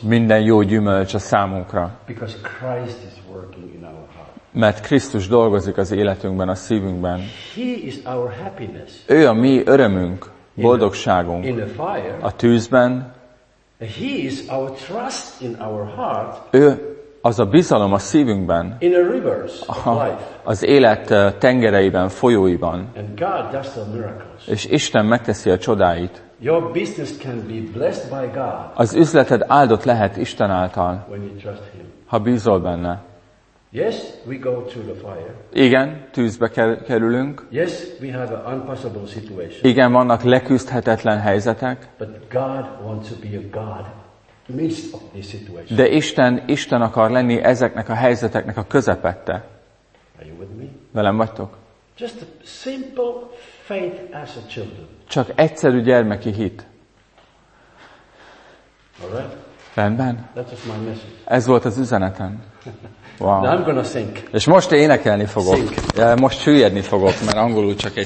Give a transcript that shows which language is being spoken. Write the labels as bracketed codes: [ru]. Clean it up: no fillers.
[hu] Minden jó gyümölcs a számunkra. [en] Because Christ is working in our heart. [hu] Mert Krisztus dolgozik az életünkben, a szívünkben. [en] He is our happiness. [hu] Ő a mi örömünk. Boldogságunk. [en] In the fire, [hu] a tűzben. [en] He is our trust in our heart, [hu] ő az a bizalom a szívünkben. [en] In a rivers of life. [hu] Az élet tengereiben, folyóiban. [en] And God does the miracles. [hu] És Isten megteszi a csodáit. [en] Your business can be blessed by God, [hu] az üzleted áldott lehet Isten által. [en] When you trust him. [hu] Ha bízol benne. [en] Yes, we go through the fire. [hu] Igen, tűzbe kerülünk. [en] Yes, we have an impossible situation. [hu] Igen, vannak leküzdhetetlen helyzetek. [en] But God wants to be a God midst of this situation. [hu] De Isten akar lenni ezeknek a helyzeteknek a közepette. [en] Are you with me? [hu] Velem vagytok? [en] Just a simple faith as a children. [hu] Csak egyszerű gyermeki hit. [en] All right. [hu] Rendben. [en] That was my message. [hu] Ez volt az üzenetem. [en] Wow. Now I'm gonna sink. [hu] És most énekelni fogok. Sink. Ja, most süllyedni fogok, mert angolul csak egy